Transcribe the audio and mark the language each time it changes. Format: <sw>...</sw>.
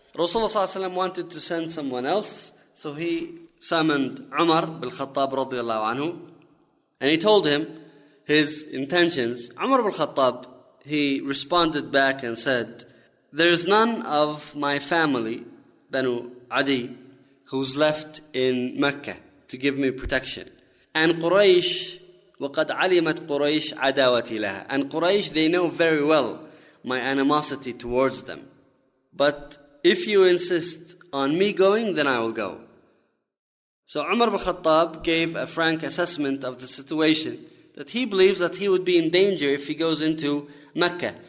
<en>Rasulullah ﷺ wanted to send someone else, so he summoned Umar bin Khattab radiallahu anhu, and he told him his intentions. Umar bin Khattab, he responded back and said, "There is none of my family, Banu Adi, who's left in Mecca to give me protection.</en> <ar>And Quraysh, وَقَدْ عَلِمَتْ قُرَيْشْ عَدَاوَتِي لَهَا.</ar> <en>And Quraysh, they know very well my animosity towards them. But if you insist on me going, then I will go." So Umar bin Khattab gave a frank assessment of the situation, that he believes that he would be in danger if he goes into Mecca.</en>